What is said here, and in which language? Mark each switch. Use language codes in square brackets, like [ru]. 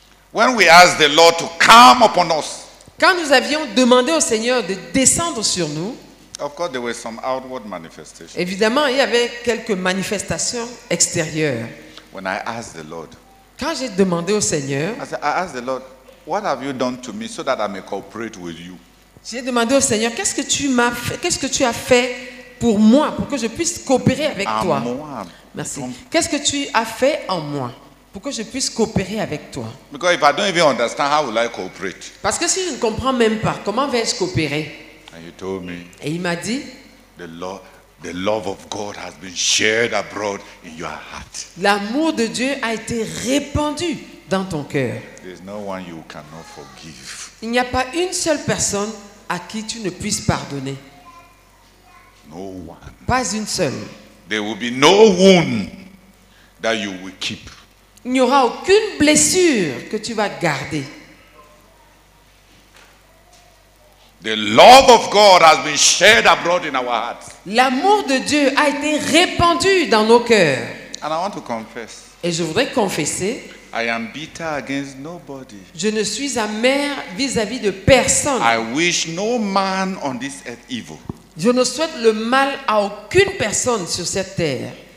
[en] When we asked the Lord to come upon us. [fr] Quand nous avions demandé au Seigneur de descendre sur nous. [en] Of course, there were some outward manifestations. [fr] Évidemment, il y avait quelques manifestations extérieures. [en] When I asked the Lord. [fr] Quand j'ai demandé au Seigneur. [en] I asked the Lord, what have you done to me so that I may cooperate with you? [fr] J'ai demandé au Seigneur, qu'est-ce que tu as fait pour moi, pour que je puisse coopérer avec toi? Merci. Qu'est-ce que tu as fait en moi pour que je puisse coopérer avec toi? [en] Because if I don't even understand, how will I cooperate? [fr] Parce que si je ne comprends même pas, comment vais-je coopérer? [en] And he told me, [fr] et il m'a dit, [en] the love of God has been shared abroad in your heart. [fr] L'amour de Dieu a été répandu dans ton cœur. [en] There is no one you cannot forgive. [fr] Il n'y a pas une seule personne à qui tu ne puisses pardonner. [en] No one. [fr] Pas une seule. [en] There will be no wound that you will keep. [fr] Il n'y aura aucune blessure que tu vas garder. [en] The love of God has been shared abroad in our hearts. [fr] L'amour de Dieu a été répandu dans nos cœurs. [en] And I want to confess. [fr] Et je voudrais confesser. [en] I am bitter against nobody. [fr] Je ne suis amer vis-à-vis de personne. [en] I wish no man on this earth evil. [fr] Je ne souhaite le mal à aucune personne sur cette terre.